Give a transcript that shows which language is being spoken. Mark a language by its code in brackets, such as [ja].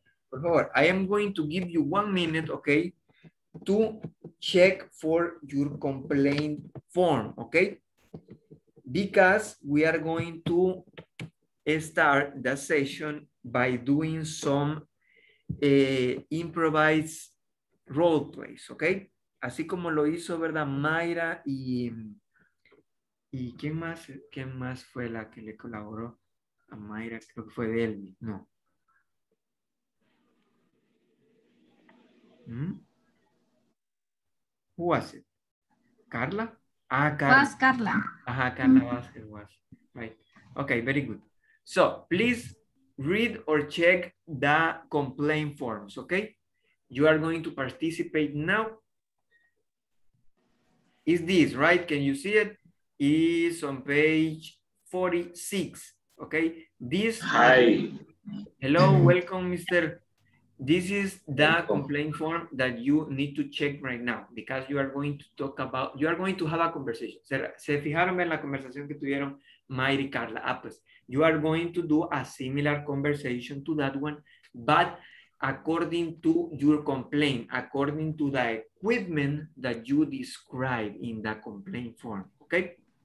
[es] Por favor, [en] I am going to give you 1 minute, okay, to check for your complaint form, okay? Because we are going to start the session by doing some improvised role plays, okay? [es] Así como lo hizo, ¿verdad? Mayra y ¿quién más fue la que le colaboró a Mayra? Creo que fue Delmi, no. [en] ¿Who was it? ¿Carla? Ah, Carla. Was Carla. Ajá, Carla Vázquez was. Right. Okay, very good. So, please read or check the complaint forms, okay? You are going to participate now. Is this, right? Can you see it? It's on page 46, okay? This... Hi. Hello, welcome, Mr. This is the complaint form that you need to check right now because you are going to talk about, you are going to have a conversation. [es] ¿Se fijaron en la conversación que tuvieron Mayra y Carla? Ah, pues... [en] You are going to do a similar conversation to that one, but according to your complaint, according to the equipment that you describe in the complaint form, okay?